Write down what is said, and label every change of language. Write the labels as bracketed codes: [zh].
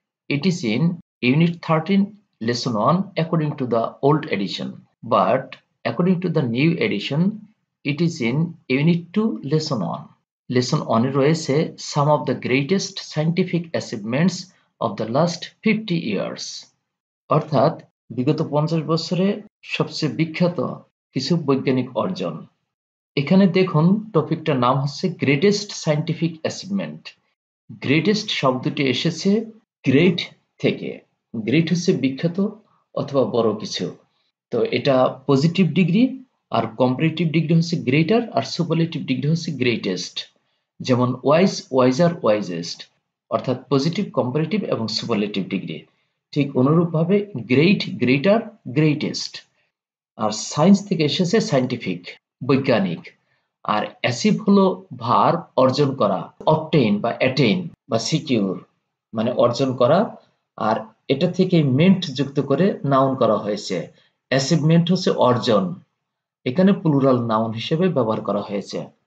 [en] It is in Unit 13, Lesson 1 according to the old edition, but according to the new edition, it is in Unit 2, Lesson 1. Lesson 1 [bn] রয়েছে [en] some of the greatest scientific achievements of the last 50 years. [bn] অর্থাৎ বিগত 50 বছরে সবচেয়ে বিখ্যাত কিছু বৈজ্ঞানিক অর্জন। এখানে দেখুন টপিকটার নাম হচ্ছে [en] greatest scientific achievement. [bn] Greatest শব্দটি এসেছে great থেকে। Great হচ্ছে বিখ্যাত অথবা বড় কিছু। তো এটা পজিটিভ ডিগ্রি আর কম্পারেটিভ ডিগ্রি হচ্ছে greater আর সুপারলেটিভ ডিগ্রি হচ্ছে greatest. যেমন wise, wiser, wisest. অর্থাৎ পজিটিভ, কম্পারেটিভ এবং সুপারলেটিভ ডিগ্রি। ঠিক অনুরূপভাবে great, greater, greatest. আর science থেকে এসেছে scientific, বৈজ্ঞানিক। আর achieve হলো verb অর্জন করা, obtain বা attain বা secure মানে অর্জন করা। আর এটা থেকে meant যুক্ত করে noun করা হয়েছে। Achievement হচ্ছে অর্জন। এখানে plural noun হিসেবে ব্যবহার করা হয়েছে।